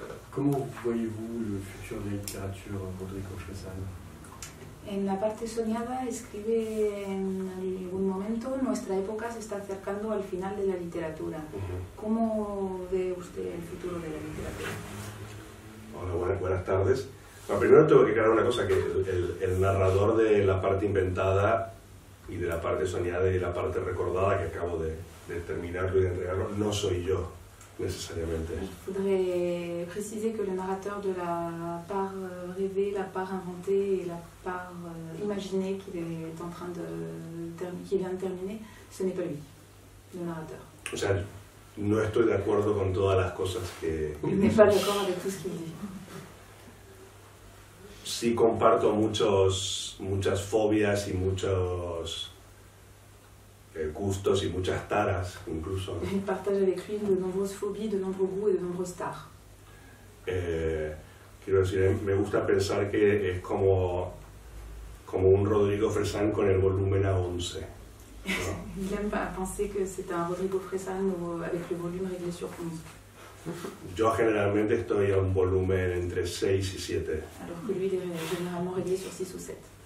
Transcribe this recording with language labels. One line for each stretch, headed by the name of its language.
French: Comment voyez-vous le futur de la littérature, Rodrigo Chassal?
Spanish: En la parte soñada escribe en algún momento nuestra época se está acercando al final de la literatura. ¿Cómo ve usted el futuro de la literatura? Hola, buenas tardes. Bueno, primero tengo que aclarar una cosa, que el narrador de la parte inventada y de la parte soñada y de la parte recordada que acabo de terminarlo y de entregarlo no soy yo.
French: Nécessairement. Il faudrait préciser que le narrateur de la part rêvée, la part inventée et la part imaginée qu'il est en train de terminer, ce n'est pas lui, le narrateur.
Spanish: O sea, no estoy de acuerdo con todas las cosas que.
French: Il n'est pas d'accord avec tout ce qu'il dit.
Spanish: Sí, comparto muchas fobias y muchos gustos y muchas taras, incluso.
French: Partage avec lui de nombreuses phobies, de nombreux goûts et de nombreuses tares.
Spanish: Quiero decir, me gusta pensar que es como un Rodrigo Fresán con el volumen a 11.
French: Il aime pas penser que c'est un Rodrigo Fresán avec le volume réglé sur 11.
Spanish: Yo generalmente estoy a un volumen entre 6 y 7.
French: Alors que lui, il est généralement réglé sur 6 ou 7.